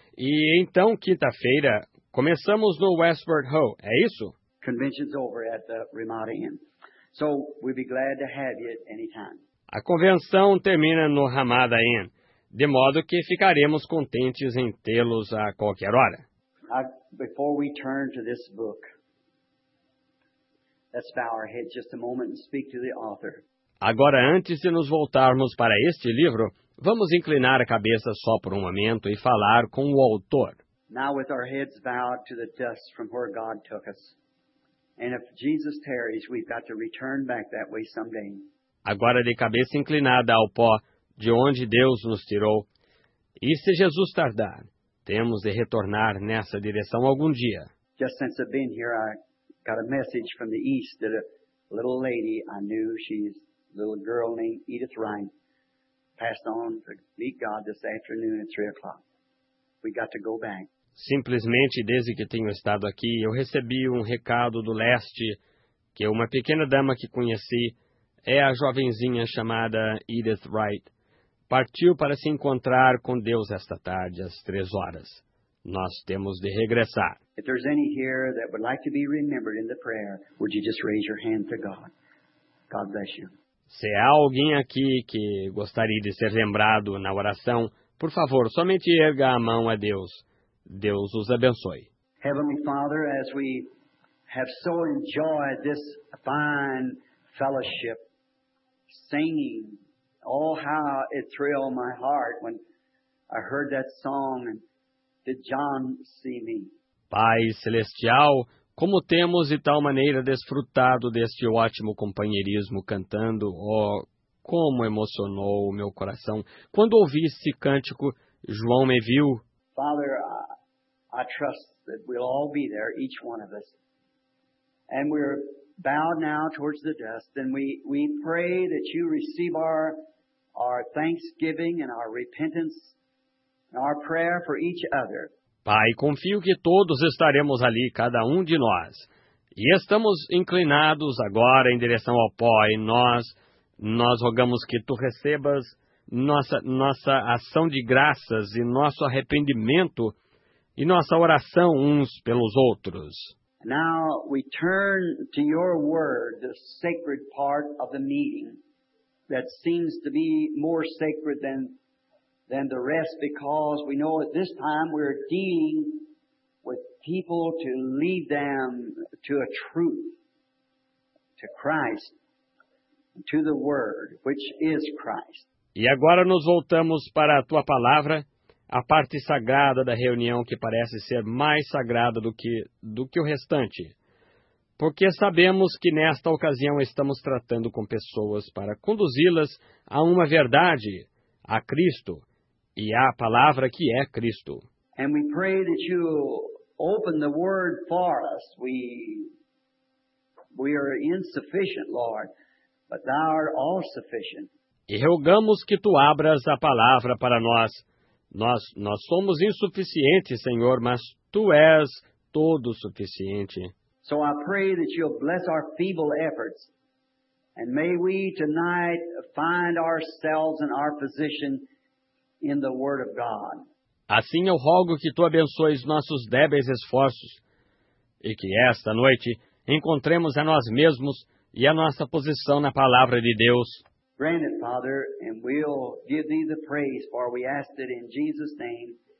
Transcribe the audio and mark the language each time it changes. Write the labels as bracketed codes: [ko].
[pt] E então, quinta-feira, começamos no Westward Hole, é isso? [en] Convention's over at the Ramada Inn. So, we'll be glad to have you at any time. [pt] A convenção termina no Ramada Inn, de modo que ficaremos contentes em tê-los a qualquer hora. [en] Before we turn to this book, let's bow our heads just a moment and speak to the author. [pt] Agora, antes de nos voltarmos para este livro, vamos inclinar a cabeça só por um momento e falar com o autor. [en] Now with our heads bowed to the dust from where God took us. And if Jesus tarries, we've got to return back that way someday. [pt] Agora de cabeça inclinada ao pó de onde Deus nos tirou. E se Jesus tardar, temos de retornar nessa direção algum dia. [en] Just since I've been here, I got a message from the east that a little lady I knew, she's a little girl named Edith Ryan, passed on to meet God this afternoon at 3 o'clock. We got to go back. [pt] Simplesmente, desde que tenho estado aqui, eu recebi um recado do leste, que uma pequena dama que conheci, é a jovenzinha chamada Edith Wright, partiu para se encontrar com Deus esta tarde, às 3 horas. Nós temos de regressar. [en] If there's any here that would like to be remembered in the prayer, would you just raise your hand to God? God bless you. [pt] Se há alguém aqui que gostaria de ser lembrado na oração, por favor, somente erga a mão a Deus. Deus os abençoe. [en] Heavenly Father, as we have so enjoyed this fine fellowship, singing, oh, how it thrilled my heart when I heard that song and did John see me? [pt] Pai Celestial, como temos de tal maneira desfrutado deste ótimo companheirismo cantando, oh, como emocionou o meu coração. Quando ouvi esse cântico, João me viu. [en] Father, I trust that we'll all be there, each one of us. And we're bowed now towards the dust, and we pray that you receive our thanksgiving and our repentance. Our prayer for each other. [pt] Pai, confio que todos estaremos ali, cada um de nós. E estamos inclinados agora em direção ao pó, e nós rogamos que tu recebas nossa ação de graças e nosso arrependimento e nossa oração uns pelos outros. [en] Now we turn to your word, the sacred part of the meeting that seems to be more sacred than the rest, because we know at this time we're dealing with people to lead them to a truth, to Christ, to the Word, which is Christ. [pt] E agora nos voltamos para a tua palavra, a parte sagrada da reunião que parece ser mais sagrada do que o restante. Porque sabemos que nesta ocasião estamos tratando com pessoas para conduzi-las a uma verdade, a Cristo, e à palavra que é Cristo. [en] And we pray that you open the word for us. We are insufficient, Lord, but thou art all sufficient. [pt] E rogamos que tu abras a palavra para nós. Nós somos insuficientes, Senhor, mas tu és todo suficiente. [en] So I pray that you'll bless our feeble efforts, and may we tonight find ourselves and our position in the Word of God. [pt] Assim eu rogo que tu abençoes nossos débeis esforços, e que esta noite encontremos a nós mesmos e a nossa posição na Palavra de Deus. [en] Granted, Father, and we'll give thee the praise, for we ask it in Jesus' name.